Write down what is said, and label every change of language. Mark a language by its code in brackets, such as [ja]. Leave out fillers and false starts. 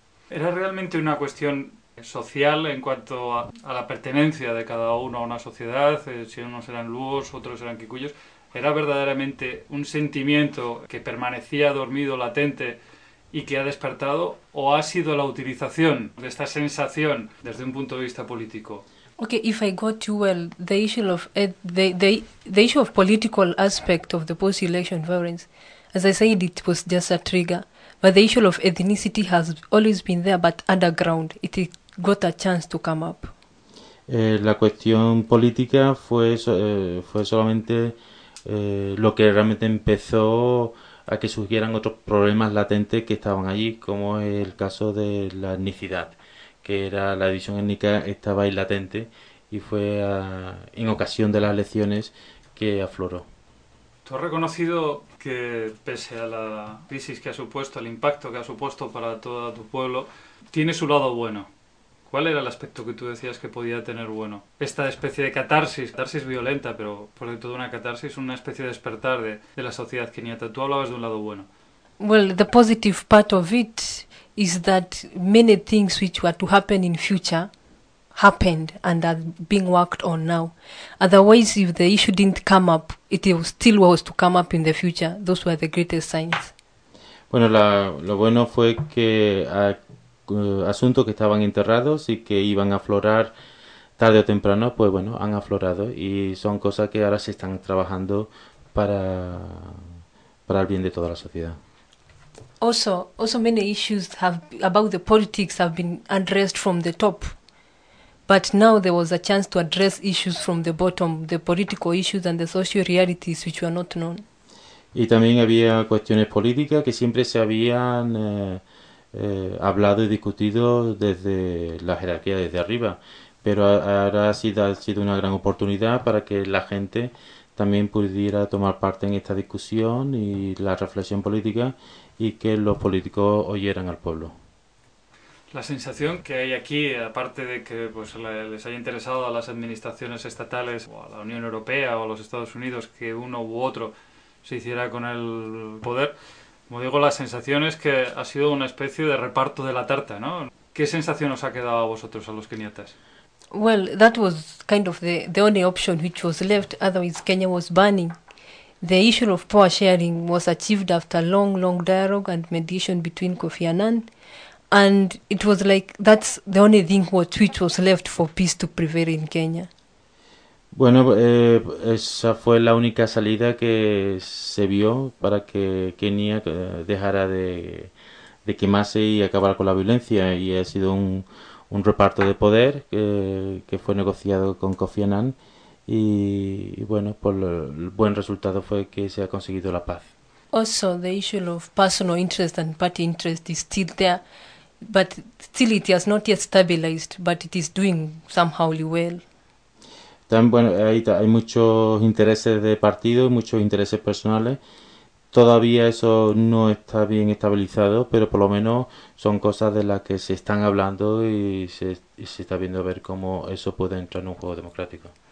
[es] ¿Era realmente una cuestión social en cuanto a la pertenencia de cada uno a una sociedad? Si unos eran luos, otros eran kikuyos. ¿Era verdaderamente un sentimiento que permanecía dormido, latente y que ha despertado? ¿O ha sido la utilización de esta sensación desde un punto de vista político? [en] Okay, if I got you well, the issue of the issue of political aspect of the post-election violence, as I said, it was just a trigger. But the issue of ethnicity has always been there, but underground. It got a chance to come up. [es] La cuestión política fue solamente lo que realmente empezó a que surgieran otros problemas latentes que estaban allí, como el caso de la etnicidad, que era la división étnica estaba ahí latente y fue en ocasión de las elecciones que afloró. ¿Tú has reconocido que, pese a la crisis que ha supuesto, el impacto que ha supuesto para todo tu pueblo, tiene su lado bueno? ¿Cuál era el aspecto que tú decías que podía tener bueno? Esta especie de catarsis violenta, pero por dentro de una catarsis, una especie de despertar de la sociedad keniata. Tú hablabas de un lado bueno. [en] Well, the positive part of it is that many things which were to happen in future happened and are being worked on now. Otherwise, if the issue didn't come up, it still was to come up in the future. Those were the greatest signs. [es] Bueno, lo bueno fue que asuntos que estaban enterrados y que iban a aflorar tarde o temprano, pues bueno, han aflorado y son cosas que ahora se están trabajando para el bien de toda la sociedad. [en] Also, many issues about the politics have been addressed from the top. But now there was a chance to address issues from the bottom, the political issues and the social realities which were not known. [es] Y también había cuestiones políticas que siempre se habían hablado y discutido desde la jerarquía, desde arriba, pero ahora ha sido una gran oportunidad para que la gente también pudiera tomar parte en esta discusión y la reflexión política y que los políticos oyeran al pueblo. La sensación que hay aquí, aparte de que pues, les haya interesado a las administraciones estatales o a la Unión Europea o a los Estados Unidos que uno u otro se hiciera con el poder, como digo, la sensación es que ha sido una especie de reparto de la tarta, ¿no? ¿Qué sensación os ha quedado a vosotros, a los keniatas? [en] Well, that was kind of the only option which was left, otherwise Kenya was burning. The issue of power sharing was achieved after long, long dialogue and mediation between Kofi Annan. And it was like that's the only thing which was left for peace to prevail in Kenya. [es] Bueno, esa fue la única salida que se vio para que Kenia dejara de quemarse y acabara con la violencia. Y ha sido un reparto de poder que fue negociado con Kofi Annan. Y bueno, pues el buen resultado fue que se ha conseguido la paz. [en] Also, the issue of personal interest and party interest is still there. But still, it has not yet stabilized, but it is doing somehow well. [es] Bueno, hay muchos intereses de partido y muchos intereses personales. Todavía eso no está bien estabilizado, pero por lo menos son cosas de las que se están hablando y se está viendo a ver cómo eso puede entrar en un juego democrático.